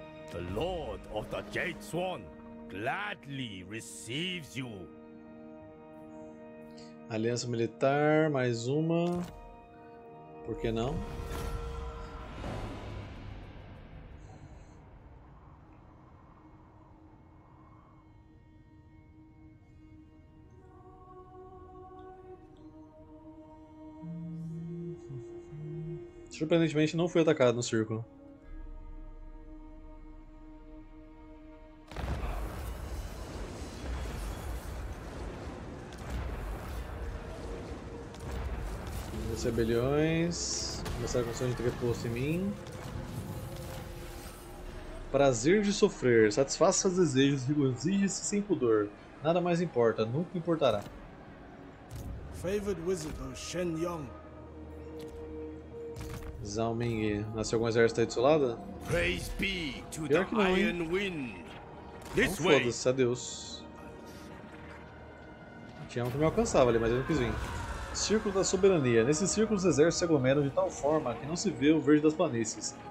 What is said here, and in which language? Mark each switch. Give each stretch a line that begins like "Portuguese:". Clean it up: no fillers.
English: The Lord of the Jade Swan gladly receives you.
Portuguese: Aliança militar, mais uma. Por que não? Surpreendentemente, não fui atacado no círculo. Rebeliões, começar a construção de entreposto em mim. Prazer de sofrer, satisfaça seus desejos, exige-se sem pudor. Nada mais importa, nunca importará.
English: Favored Wizard of Shen Yong.
Portuguese: Zhao Ming, nasceu algum exército aí do seu lado?
English: Praise be to the Iron Wind.
Portuguese: Não, foda-se, adeus. Tinha um que me alcançava ali, mas eu não quis vir. Círculo da Soberania. Nesse círculo, os exércitos se aglomeram de tal forma que não se vê o verde das planícies.